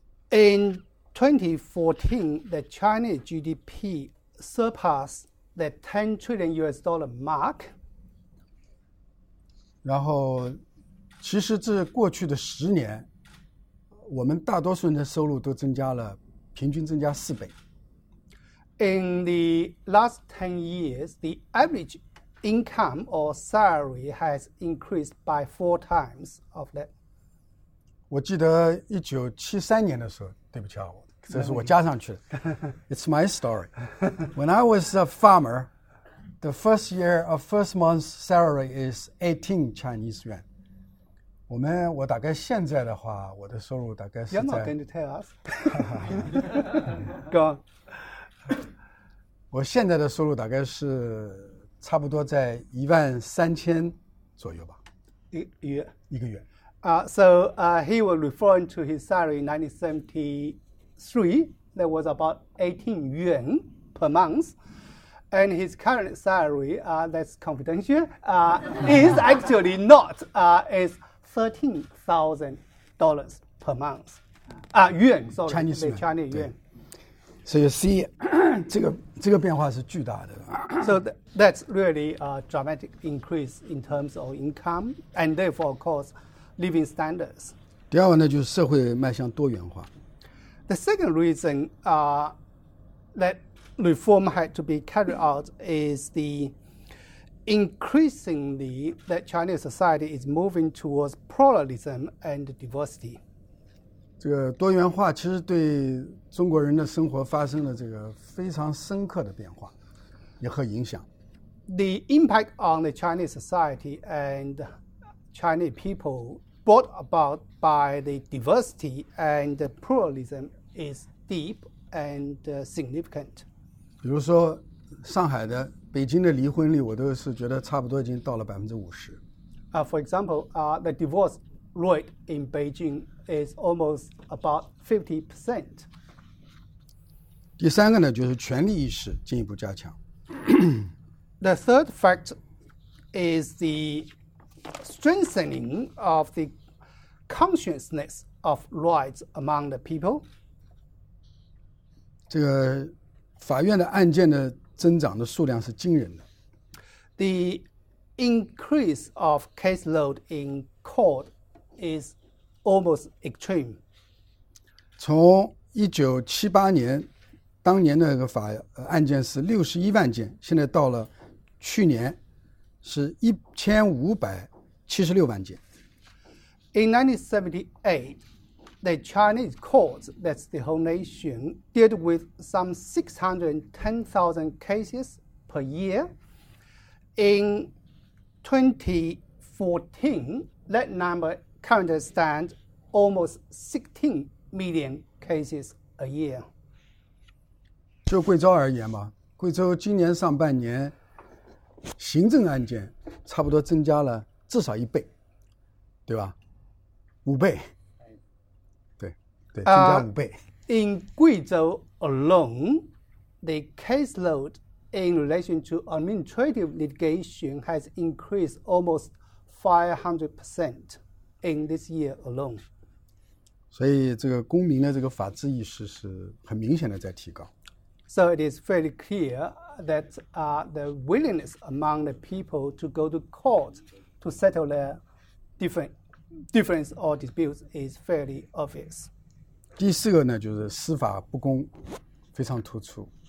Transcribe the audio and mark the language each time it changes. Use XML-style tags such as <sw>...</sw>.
<en>In 2014, the Chinese GDP surpassed the $10 trillion mark.</en> <zh>然后，其实这过去的十年，我们大多数人的收入都增加了，平均增加4倍。</zh> <en>In the last 10 years, the average income or salary has increased by 4 times of that.</en> <zh>我记得1973年的时候，对不起啊，这是我加上去的。</zh> <en>It's my story. When I was a farmer, the first year of first month's salary is 18 Chinese yuan.</en> <zh>我大概现在的话，我的收入大概是在</zh> <en>You're not going to tell us. Go on.</en> <zh>我现在的收入大概是差不多在13000左右吧，一个月。</zh> <en>So he was referring to his salary in 1973. That was about 18 yuan per month, and his current salary, that's confidential, is actually not. It's $13,000 per month. Yuan, sorry, Chinese yuan. Chinese yuan. So you see,</en> <zh>这个变化是巨大的。</zh> <en>So that's really a dramatic increase in terms of income, and therefore, of course, living standards.</en> <zh>第二个呢，就是社会迈向多元化。</zh> <en>The second reason that reform had to be carried out is the increasingly that Chinese society is moving towards pluralism and diversity.</en> <zh>这个多元化其实对中国人的生活发生了这个非常深刻的变化，也和影响。</zh> <en>The impact on the Chinese society and Chinese people brought about by the diversity and the pluralism is deep and significant.</en> <zh>比如说上海的、北京的离婚率，我都是觉得差不多已经到了50%。</zh> <en>For example, the divorce rate in Beijing is almost about 50%.</en> <zh>第三个呢，就是权利意识进一步加强。</zh> <en>The third fact is the strengthening of the consciousness of rights among the people.</en> <zh>这个法院的案件的增长的数量是惊人的。</zh> <en>The increase of caseload in court is almost extreme.</en> <zh>从1978年，当年的那个法案件是61万件，现在到了去年是1576万件。</zh> <en>In 1978, the Chinese courts, that's the whole nation, dealt with some 610,000 cases per year. In 2014, that number currently stands almost 16 million cases a year.</en> <zh>就贵州而言嘛，贵州今年上半年行政案件差不多增加了至少一倍，对吧？五倍，对，增加五倍。</zh> <en>In Guizhou alone, the caseload in relation to administrative litigation has increased almost 500% in this year alone.</en> <zh>所以这个公民的这个法治意识是很明显的在提高。</zh> <en>So it is fairly clear that the willingness among the people to go to court to settle their different difference or disputes is fairly obvious.</en> <zh>第四个呢, 就是司法不公, 非常突出。</zh>